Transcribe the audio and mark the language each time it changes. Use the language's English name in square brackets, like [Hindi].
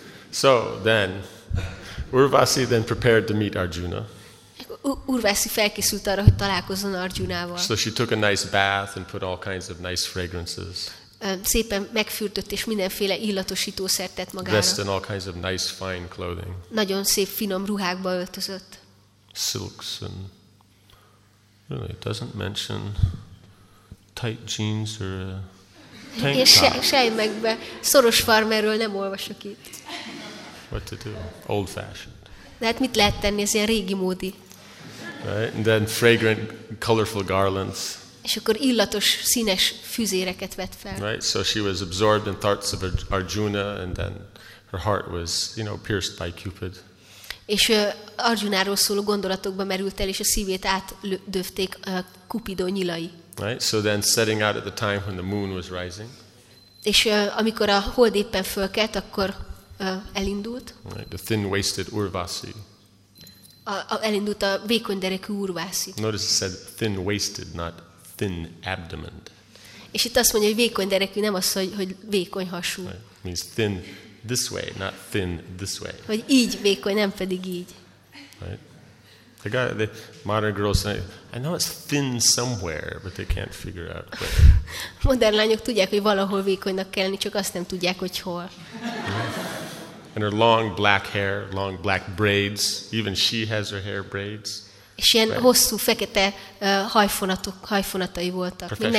[English] So, then... Urvasi then prepared to meet Arjuna. [Hungarian] Urvasi felkészült arra, hogy találkozzon Arjunával. [English] So she took a nice bath and put all kinds of nice fragrances. [Hungarian] Szépen megfürdött és mindenféle illatosítószert tett magára. [English] Dressed in all kinds of nice fine clothing. [Hungarian] Nagyon szép finom ruhákba öltözött. [English] Silks and really it doesn't mention tight jeans or a tank top. [Hungarian] Sejmekbe, szoros farmerről nem olvasok itt. [English] What to do? Old-fashioned. [Hungarian] De hát mit lehet tenni? Ez ilyen régi módi. [English] Right? And then fragrant, colorful garlands. [Hungarian] És akkor illatos, színes füzéreket vett fel. [English] Right, so she was absorbed in thoughts of Arjuna, and then her heart was, you know, pierced by Cupid. [Hungarian] És Arjunáról szóló gondolatokba merült el, és a szívét átdöfték Cupido nyilai. [English] Right, so then setting out at the time when the moon was rising. [Hungarian] És amikor a hold éppen fölkelt, akkor elindult. [English] Right, the thin-waisted Urvasi. [Hungarian] Elindult a vékony derekű Urvasi. [English] Notice it said thin-waisted, not thin abdomen. [Hungarian] És itt azt mondja, hogy vékony derekű, nem az, hogy vékony hasú. [English] Right. Means thin this way, not thin this way. [Hungarian] Hogy így vékony, nem pedig így. [English] Right. The guy, the modern girls say, I know it's thin somewhere, but they can't figure out where. [Hungarian] Modern lányok tudják, hogy valahol vékonynak kell lenni, csak azt nem tudják, hogy hol. [English] And her long black hair, long black braids, even she has her hair braids. [Hungarian] És ilyen right. Hosszú, fekete hajfonatai voltak.